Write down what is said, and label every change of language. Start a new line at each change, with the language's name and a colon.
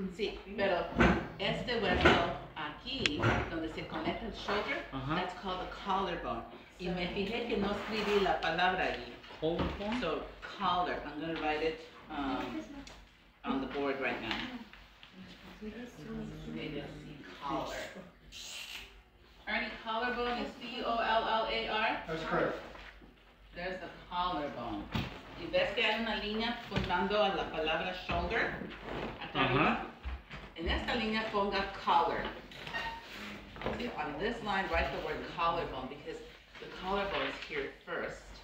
Spanish: Sí, pero este hueso aquí, donde se conecta el shoulder, uh-huh.
English: That's called the collarbone.
Spanish: Y me fijé que no escribí la palabra allí.
English: Collarbone? So, collar. I'm going to write it on the board right now. Maybe collar. Ernie, collarbone is C-O-L-L-A-R? That's correct. There's the collarbone.
Spanish: Y ves que hay una línea juntando a la palabra shoulder. Uh-huh. En esta línea ponga collar.
English: See, on this line, write the word collarbone because the collarbone is here first.